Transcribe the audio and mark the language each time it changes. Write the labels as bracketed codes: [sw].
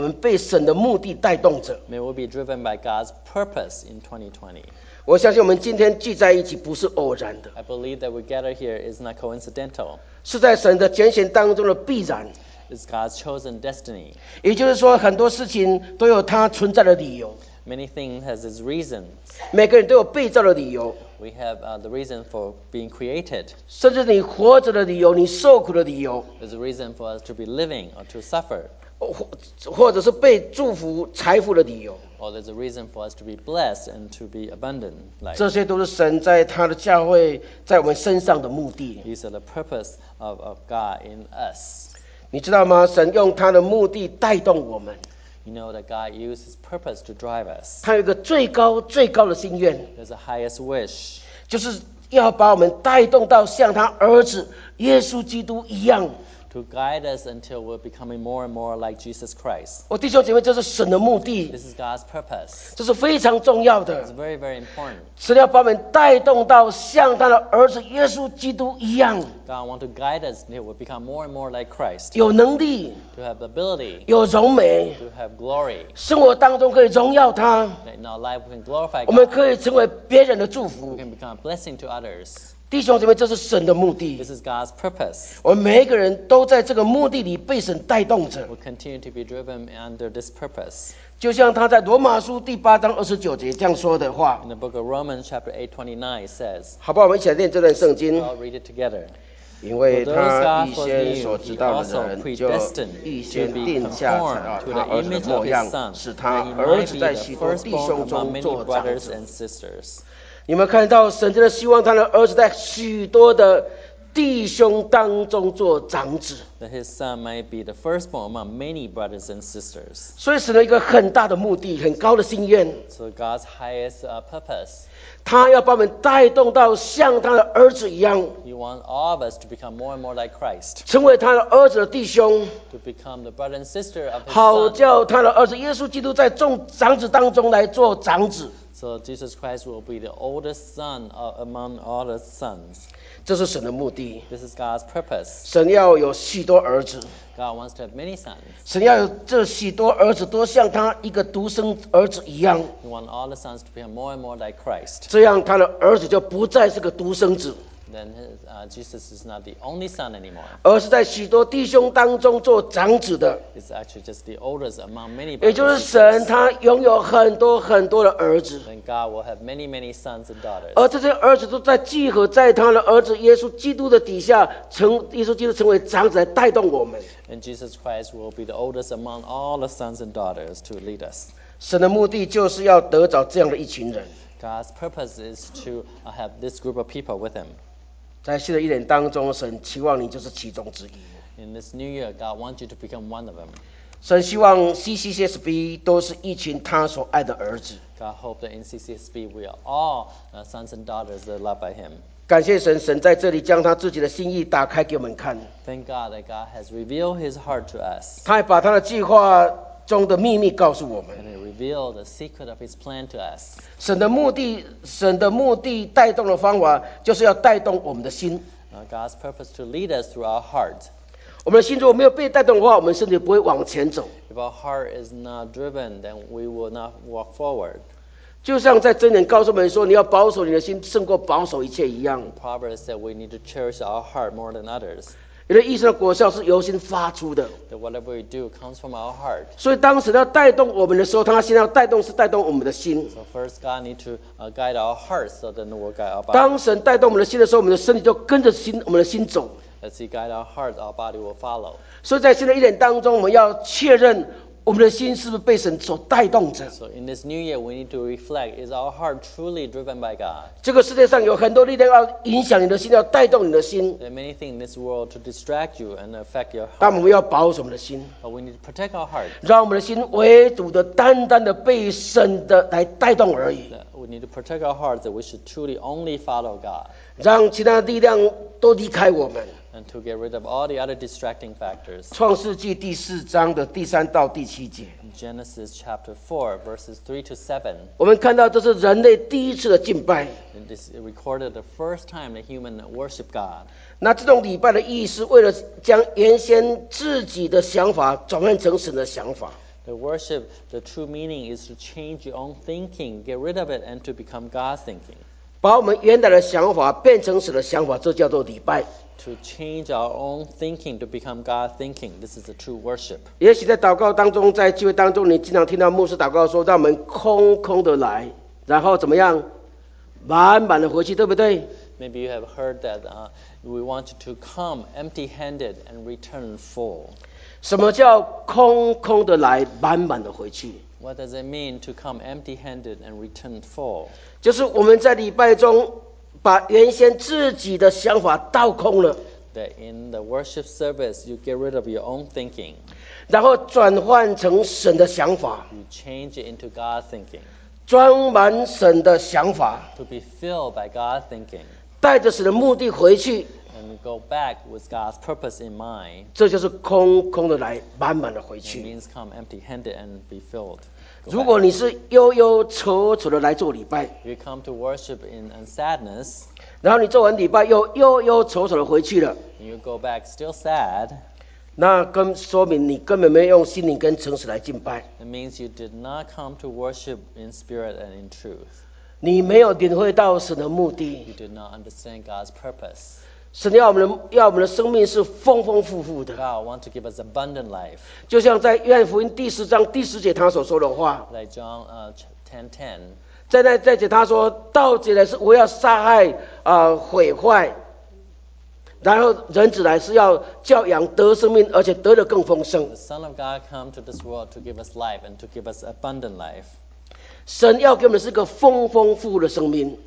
[zh] 愿2020年我们被神的目的带动着。 [en] May we be driven by God's purpose in 2020. [zh] 我相信我们今天聚在一起不是偶然的。 [en] I believe that we gather here is not coincidental. [zh] 是在神的拣选当中的必然。 [en] It's God's chosen destiny. [zh] 也就是说，很多事情都有它存在的理由。 [en] Many things has its reason. [zh] 每个人都有被造的理由。 [en] We have the reason for being created. [zh] 甚至你活着的理由，你受苦的理由。 [en] There's a reason for us to be living or to suffer. [zh] 或者是被祝福、财富的理由。 [en] Or there's a reason for us to be blessed and to be abundant. [zh] 这些都是神在他的教会在我们身上的目的。 [en] These are the purpose of God in us. [zh] 你知道吗？神用他的目的带动我们。 [en] You know that God uses His purpose to drive us. [zh] 他有一个最高最高的心愿。 [en] There's a highest wish. [zh] 就是要把我们带动到像他儿子耶稣基督一样。 [en] To guide us until we're becoming more and more like Jesus Christ. [zh] 我弟兄姐妹，这是神的目的。 [en] This is God's purpose. [zh] 这是非常重要的。 [en] It's very, very important. [zh] 神要把我们带动到像他的儿子耶稣基督一样。 [en] God wants to guide us until we become more and more like Christ. [zh] 有能力。 [en] To have ability. [zh] 有荣美。 [en] To have glory. [zh] 生活当中可以荣耀他。 [en] In our life, we can glorify God. [zh] 我们可以成为别人的祝福。 [en] We can become a blessing to others. [zh] 弟兄姐妹，这是神的目的。 [en] This is God's purpose. [zh] 我们每一个人都在这个目的里被神带动着。 [en] We continue to be driven under this purpose. [zh] 就像他在罗马书第八章二十九节这样说的话。 [en] In the book of Romans, chapter 8, 29, it says. [zh] 好吧，我们一起来念这段圣经。 [en] I'll read it together. [zh] 因为他预先所知道的人，就预先定下他儿子的模样，使他儿子在许多弟兄中做长子。你们看到神真的希望他的儿子在许多的弟兄当中做长子。 [en] That his son might be the firstborn among many brothers and sisters. [zh] 所以神的一个很大的目的，很高的心愿。 [en] So God's highest purpose. [zh] 他要把我们带动到像他的儿子一样。 [en] He wants all of us to become more and more like Christ. [zh] 成为他的儿子的弟兄。 [en] To become the brother and sister of his son. [zh] 好叫他的儿子耶稣基督在众长子当中来做长子。 [en] So Jesus Christ will be the oldest son among all the sons. [zh] 这是神的目的。 [en] This is God's purpose. [zh] 神要有许多儿子。 [en] God wants to have many sons. [zh] 神要有这许多儿子都像他一个独生儿子一样。 [en] He wants all the sons to become more and more like Christ. [zh] 这样他的儿子就不再是个独生子。 [en] Then Jesus is not the only son anymore. [zh] 而是在许多弟兄当中做长子的。 [en] It's actually just the oldest among many. [zh] 也就是神他拥有很多很多的儿子。 [en] And God will have many many sons and daughters. [zh] 而这些儿子都在聚合在他的儿子耶稣基督的底下，成耶稣基督成为长子来带动我们。 [en] And Jesus Christ will be the oldest among all the sons and daughters to lead us. [zh] 神的目的就是要得着这样的一群人。 [en] God's purpose is to have this group of people with him. [zh] 在新的一年当中，神期望你就是其中之一。 [en] In this new year, God wants you to become one of them. [zh] 神希望 CCCSB 都是一群他所爱的儿子。 [en] God hopes that in CCCSB we are all sons and daughters that are loved by Him. [zh] 感谢神，神在这里将他自己的心意打开给我们看。 [en] Thank God that God has revealed His heart to us. [zh] 他还把他的计划中的秘密告诉我们。 [en] And He revealed the secret of His plan to us. [zh] 神的目的带动的方法就是要带动我们的心。 [en] God's purpose to lead us through our heart. [zh] 我们的心如果没有被带动的话，我们甚至不会往前走。 [en] If our heart is not driven, then we will not walk forward. [zh] 就像在箴言告诉我们说，你要保守你的心胜过保守一切一样。 [en] Proverbs said we need to cherish our heart more than others. [zh] 你的一生的果效是由心发出的。 [en] That whatever we do comes from our heart. [zh] 所以当神要带动我们的时候，他现在要带动是带动我们的心。 [en] So first, God need to guide our hearts, so then we'll guide our body. [zh] 当神带动我们的心的时候，我们的身体就跟着心，我们的心走。 [en] As He guide our hearts, our body will follow. [zh] 所以在新的一年当中，我们要确认我们的心是不是被神所带动着。 [en] So in this new year, we need to reflect: is our heart truly driven by God? [zh] 这个世界上有很多力量要影响你的心，要带动你的心。 [en] There are many things in this world to distract you and affect your heart. [zh] 但我们要保守我们的心。 [en] But we need to protect our heart. [zh] 让我们的心唯独的、单单的被神的来带动而已。 [en] We need to protect our hearts that we should truly only follow God. [zh] 让其他力量都离开我们。 [en] And to get rid of all the other distracting factors. [zh] 创世纪第四章的第三到第七节。 [en] Genesis chapter 4, verses 3 to 7. [zh] 我们看到这是人类第一次的敬拜。 [en] And this recorded the first time the human worshiped God. [zh] 那这种礼拜的意义是为了将原先自己的想法转换成神的想法。 [en] The worship, the true meaning is to change your own thinking, get rid of it, and to become God's thinking. [zh] 把我们原来的想法变成神的想法，这叫做礼拜。 [en] To change our own thinking to become God's thinking, this is a true worship. [zh] 也许在祷告当中，在聚会当中，你经常听到牧师祷告说：“让我们空空的来，然后怎么样，满满的回去，对不对？” [en] Maybe you have heard that we want you to come empty-handed and return full. [zh] 什么叫空空的来，满满的回去？ [en] What does it mean to come empty-handed and return full? [zh] 就是我们在礼拜中。把原先自己的想法倒空了。 [en] that in the worship service you get rid of your own thinking. [zh] 然后转换成神的想法。 [en] You change it into God's thinking. [zh] 装满神的想法。 [en] To be filled by God's thinking. [zh] 带着神的目的回去。 [en] And go back with God's purpose in mind. [zh] 这就是空空的来，满满的回去。 [en] It means come empty-handed and be filled. [zh] 如果你是忧忧愁愁的来做礼拜。 [en] You come to worship in sadness. [zh] 然后你做完礼拜又忧忧愁愁的回去了 [en] you go back still sad, [zh] 那跟说明你根本没有用心灵跟诚实来敬拜 [en] it means you did not come to worship in spirit and in truth. [zh] 你没有领会到神的目的 [en] you did not understand God's purpose. [zh] 神要我们的生命是丰丰富富的 [en] God wants to give us abundant life. [zh] 就像在约翰福音第十章第十节他所说的话 [en] like John 10:10 [zh] 在那在解他说盗贼来是我要杀害毁坏然后人子来是要教养得生命而且得的更丰盛 [en] The Son of God come to this world to give us life and to give us abundant life [zh] 神要给我们是个丰丰富的生命